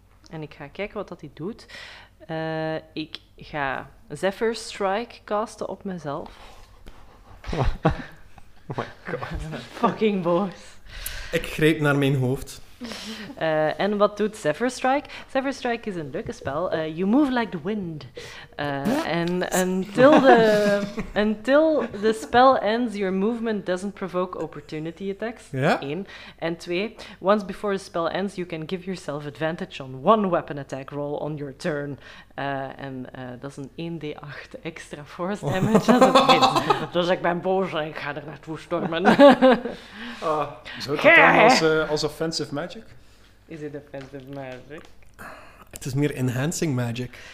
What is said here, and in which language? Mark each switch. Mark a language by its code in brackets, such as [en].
[nl] En ik ga kijken wat dat hij doet. Ik ga Zephyr Strike casten op mezelf. [en] Oh my god. [nl] Fucking boos. Ik greep naar mijn hoofd. En wat doet Zephyr Strike? Zephyr Strike is een leuke spel. [en] You move like the wind. En until the spell ends, your movement doesn't provoke opportunity attacks. [nl] Ja. 1. En 2. [en] Once before the spell ends, you can give yourself advantage on one weapon attack roll on your turn. [nl] En dat is een 1d8 extra force damage. Oh. Dus ik ben boos en ik ga er naartoe stormen. Zou dat dan als offensive magic? Is het offensive magic? Het is meer enhancing magic.